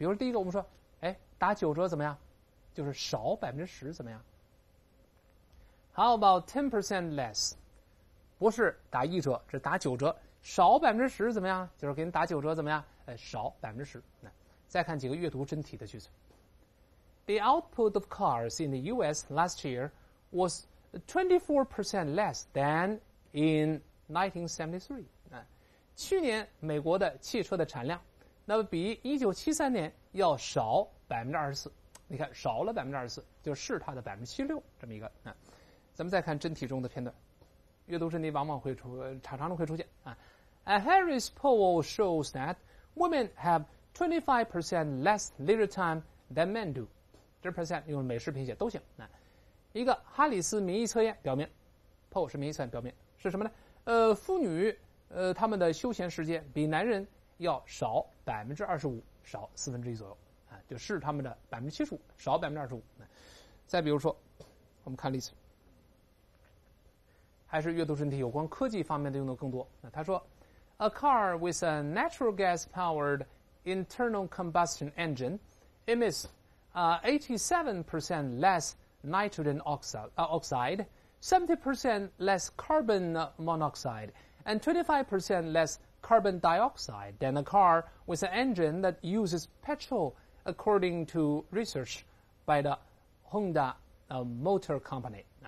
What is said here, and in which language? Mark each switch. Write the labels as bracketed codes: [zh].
[zh] 比如说第一个，我们说，哎，打9折怎么样？就是少10%怎么样 ？ [en] How about 10% less？ [zh] 不是打1折，是打9折，少10%怎么样？就是给你打9折怎么样？少10%。再看几个阅读真题的句子。 [en] The output of cars in the U.S. last year was 24% less than in 1973。 [zh] 去年美国的汽车的产量，那么比1973年要少24%。你看少了24%，就是它的76%这么一个。咱们再看真题中的片段。阅读真题往往会出，常常都会出现啊。 [en] A Harris poll shows that women have 25% less leisure time than men do。 [zh] 这 percent 用美式拼写都行啊。一个哈里斯民意测验表明 ，poll 是民意测验表明是什么呢？妇女他们的休闲时间比男人要少25%，少1/4左右啊，就是他们的75%，少25%。再比如说，我们看例子。还是阅读真题有关科技方面的用的更多。那他说 [en] ，A car with a natural gas-powered internal combustion engine emits 87% less nitrogen oxide, 70% less carbon monoxide, and 25% less carbon dioxide than a car with an engine that uses petrol, according to research by the Honda Motor Company。